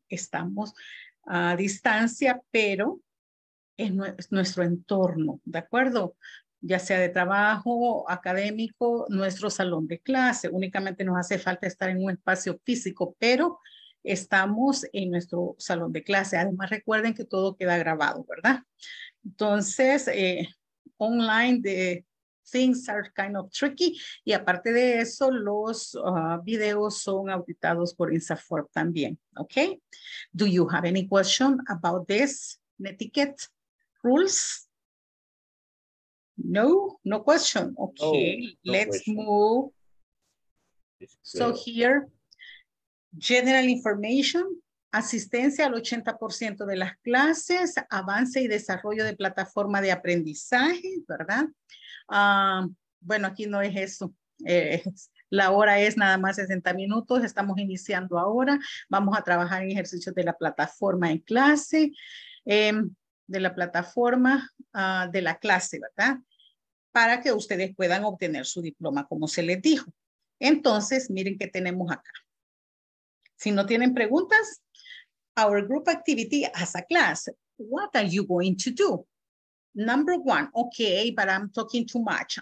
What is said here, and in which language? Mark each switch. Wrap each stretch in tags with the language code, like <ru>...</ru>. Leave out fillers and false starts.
<es>Estamos a distancia, pero es nuestro entorno, ¿de acuerdo? Ya sea de trabajo, académico, nuestro salón de clase. Únicamente nos hace falta estar en un espacio físico, pero estamos en nuestro salón de clase. Además, recuerden que todo queda grabado, ¿verdad?</es> <en>Entonces, online, the things are kind of tricky.</en> <es>Y aparte de eso, los videos son auditados por INSAFORP también.</es> <en>Okay. Do you have any question about this netiquette rules? No, no question. Okay, no, no let's question. Move. So here, general information,</en> <es>asistencia al 80% de las clases, avance y desarrollo de plataforma de aprendizaje, ¿verdad? Bueno, aquí no es eso. La hora es nada más 60 minutos, estamos iniciando ahora. Vamos a trabajar en ejercicios de la plataforma en clase, de la plataforma de la clase, ¿verdad? Para que ustedes puedan obtener su diploma, como se les dijo. Entonces, miren qué tenemos acá. Si no tienen preguntas,</es> <en>our group activity as a class, what are you going to do? Number one, okay, but I'm talking too much.</en>